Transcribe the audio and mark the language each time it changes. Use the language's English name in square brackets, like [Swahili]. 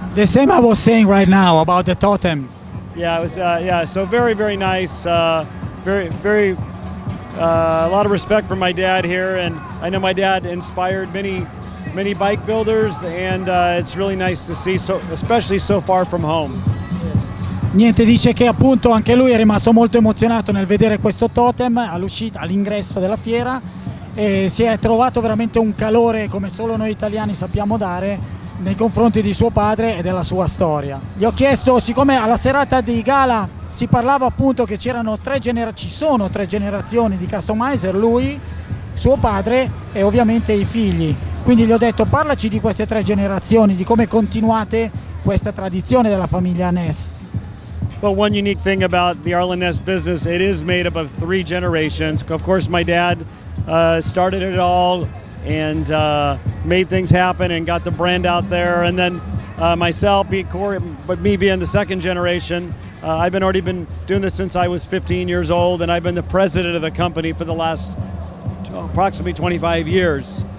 [English] The same I was saying right now about the totem. Yeah, it was so very, very nice. A lot of respect for my dad here, and I know my dad inspired many bike builders, and it's really nice to see, so especially so far from home. [Italian] Niente, dice che appunto anche lui è rimasto molto emozionato nel vedere questo totem all'uscita, all'ingresso della fiera, e si è trovato veramente un calore come solo noi italiani sappiamo dare nei confronti di suo padre e della sua storia. Gli ho chiesto, siccome alla serata di gala si parlava appunto che ci sono tre generazioni di customizer, lui, suo padre e ovviamente i figli, quindi gli ho detto parlaci di queste tre generazioni, di come continuate questa tradizione della famiglia Ness. [English] Well, one unique thing about the Arlen Ness business, it is made up of three generations. Of course, my dad started it all and made things happen and got the brand out there. And then myself, me being the second generation, I've been already been doing this since I was 15 years old, and I've been the president of the company for the last approximately 25 years.